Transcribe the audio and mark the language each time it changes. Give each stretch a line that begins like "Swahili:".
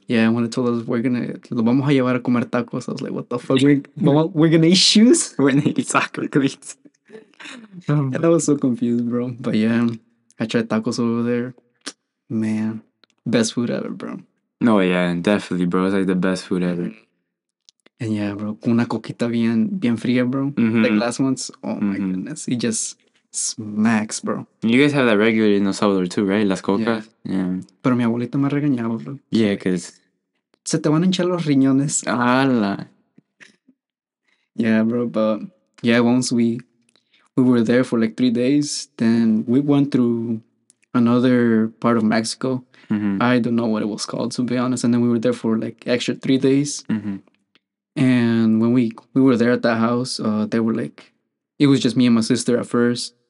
English: Yeah, when they told us we're going to...
Spanish: Lo vamos a llevar a comer tacos.
English: I was like, what the fuck? We're going to eat shoes? We're going to eat soccer cleats. And I was so confused, bro. But yeah, I tried tacos over there. Man, best food ever, bro. No, oh, yeah, definitely, bro. It's like the best food ever. And yeah, bro,
Spanish: una coquita bien fría,
English: bro. The glass ones, oh my goodness. It just smacks, bro. You guys have that regularly in El Salvador too, right?
Spanish: Las cocas.
English: Yeah.
Spanish: Pero mi abuelita me regañaba, bro.
English: Yeah, because...
Spanish: Se te van a hinchar los riñones. Ala.
English: Yeah, bro, but... Yeah, once we were there for like 3 days, then we went through another part of Mexico. I don't know what it was called, to be honest. And then we were there for like extra 3 days. And when we were there at that house, they were like, it was just me and my sister at first.